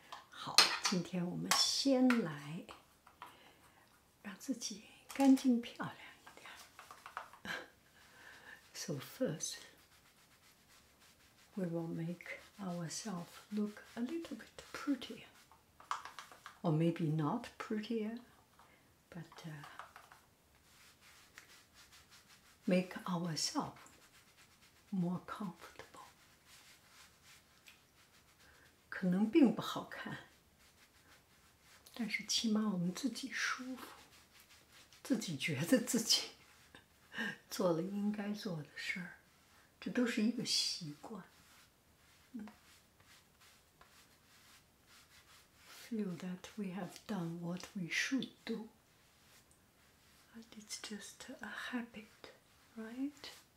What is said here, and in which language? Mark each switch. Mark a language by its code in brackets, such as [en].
[zh] 好，今天我们先来让自己干净漂亮一点。 [en] So first, we will make ourselves look a little bit prettier, or maybe not prettier, but make ourselves more comfortable. [zh] 可能并不好看。但是起码我们自己舒服，自己觉得自己做了应该做的事儿，这都是一个习惯。 [en] Feel that we have done what we should do, but it's just a habit, right?